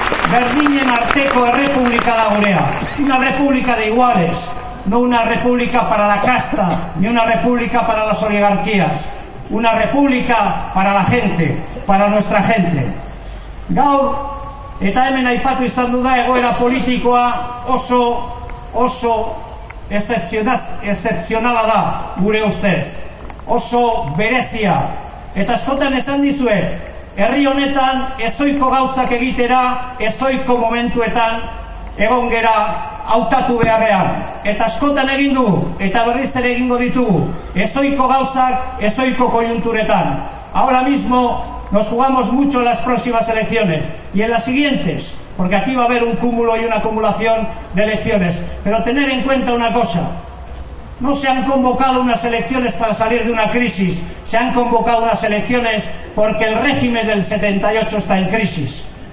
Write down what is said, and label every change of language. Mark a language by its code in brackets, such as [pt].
[eu] Berdinen arteko errepublika da gurea. [es] Una república de iguales, no una república para la casta, ni una república para las oligarquías. Una república para la gente, para nuestra gente. [eu] Gaur, eta hemen aipatu izan du da egoera politikoa oso excepcionala da gure ustez. Oso berezia. Eta askotan esan dizuet, herri honetan ezoiko gauzak egitera, ezoiko momentuetan egon gera hautatu beharrean. Eta askotan egin du eta berriz ere egingo ditugu ezoiko gauzak, ezoiko koiunturetan. [es] Ahora mismo nos jugamos mucho en las próximas elecciones y en las siguientes, porque aquí va a haber un cúmulo y una acumulación de elecciones. Pero tener en cuenta una cosa: no se han convocado unas elecciones para salir de una crisis, se han convocado unas elecciones porque el régimen del 78 está en crisis.